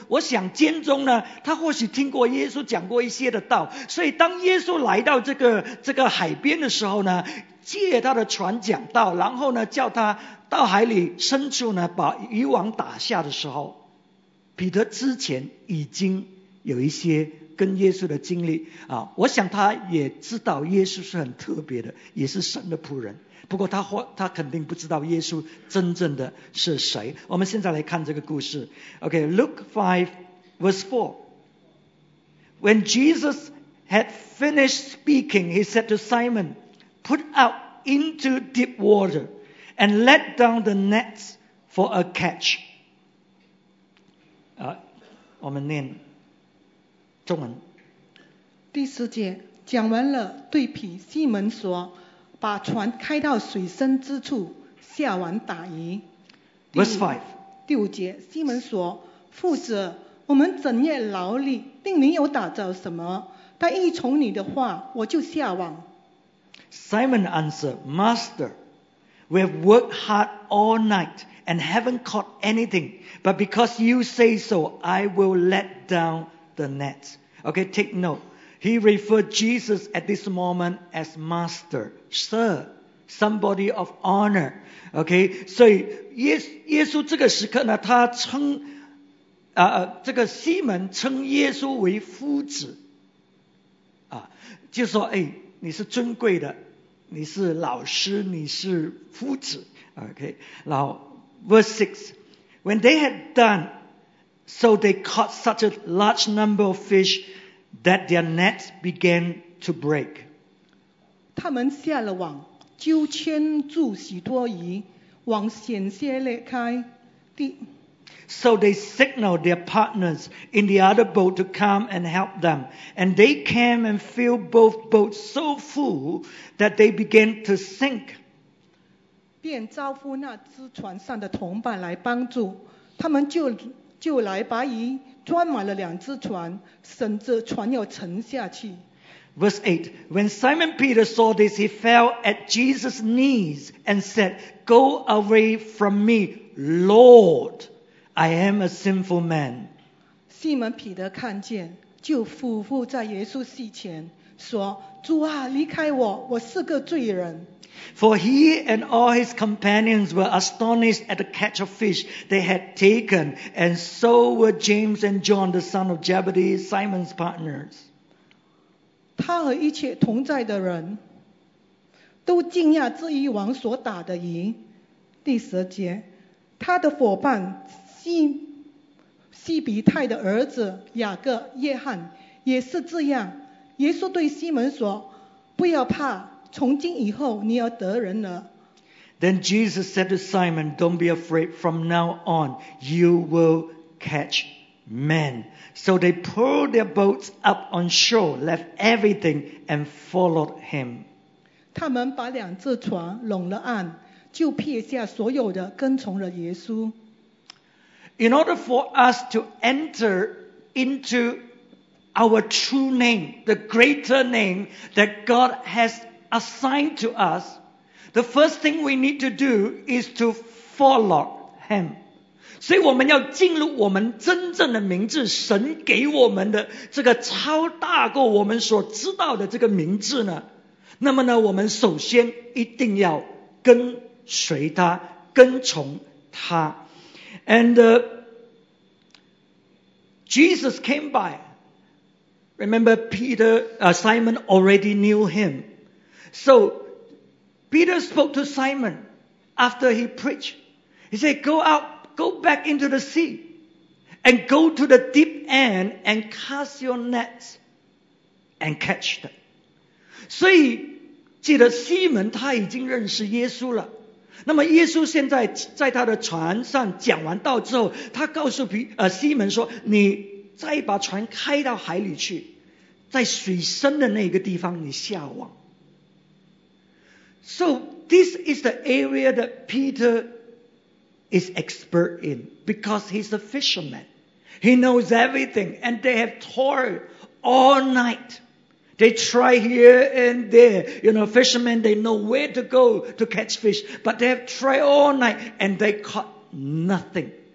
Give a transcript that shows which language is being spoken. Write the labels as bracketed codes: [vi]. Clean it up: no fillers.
[zh] 我想监中呢，他或许听过耶稣讲过一些的道，所以当耶稣来到这个海边的时候呢，借他的船讲道，然后呢叫他到海里深处呢把渔网打下的时候，彼得之前已经有一些跟耶稣的经历我想他也知道耶稣是很特别的，也是神的仆人，不过他肯定不知道耶稣真正的是谁。我们现在来看这个故事。 [en] OK, Luke 5 verse 4. When Jesus had finished speaking, he said to Simon, put out into deep water and let down the nets for a catch. [zh] 我们念中文。第四节讲完了，对彼西门说，把船开到水深之处，下网打鱼。 [en] Verse 5. [zh] 第五节，西门说，父子，我们整夜劳力，并没有打着什么，但一从你的话，我就下网。 [en] Simon answered, Master, we have worked hard all night and haven't caught anything, but because you say so, I will let down the net. Okay, take note. He referred Jesus at this moment as Master, Sir, somebody of honor. Okay, so [zh] 耶稣这个时刻呢，他称这个西门称耶稣为夫子就说哎，你是尊贵的，你是老师，你是夫子。 [en] Okay. Now, verse 6. When they had done, so they caught such a large number of fish that their nets began to break. [zh] 他们下了网，就牵住许多鱼，网险些裂开。 [en] So they signaled their partners in the other boat to come and help them. And they came and filled both boats so full that they began to sink. [zh] 便招呼那只船上的同伴来帮助。他们 就来把鱼装满了两只船，甚至船要沉下去。 [en] Verse 8, when Simon Peter saw this, he fell at Jesus' knees and said, Go away from me, Lord, I am a sinful man. [zh] 西门彼得看见，就俯伏在耶稣膝前，说，主啊，离开我，我是个罪人。 [en] For he and all his companions were astonished at the catch of fish they had taken, and so were James and John, the son of Zebedee, Simon's partners. [zh] 他和一切同在的人都惊讶这一网所打的鱼。第十节，他的伙伴西比泰的儿子雅各、约翰也是这样。耶稣对西门说：“不要怕，从今以后你要得人了。” [en] Then Jesus said to Simon, "Don't be afraid. From now on, you will catch men." So they pulled their boats up on shore, left everything, and followed him. [zh] 他们把两只船拢了岸，就撇下所有的，跟从了耶稣。 [en] In order for us to enter into our true name, the greater name that God has assigned to us, the first thing we need to do is to follow him. [zh] 所以我们要进入我们真正的名字，神给我们的这个超大过我们所知道的这个名字呢，那么呢，我们首先一定要跟随他，跟从他。 [en] And Jesus came by. Remember Peter, Simon already knew him. So Peter spoke to Simon after he preached. He said, go outGo back into the sea and go to the deep end and cast your nets and catch them. [zh] 所以记得西门他已经认识耶稣了。那么耶稣现在在他的船上讲完道之后，他告诉西门说，你再把船开到海里去，在水深的那个地方你下网。 [en] So this is the area that Peter is expert in, because he's a fisherman. He knows everything, and they have toiled all night. They try here and there. You know, fishermen, they know where to go to catch fish, but they have tried all night, and they caught nothing.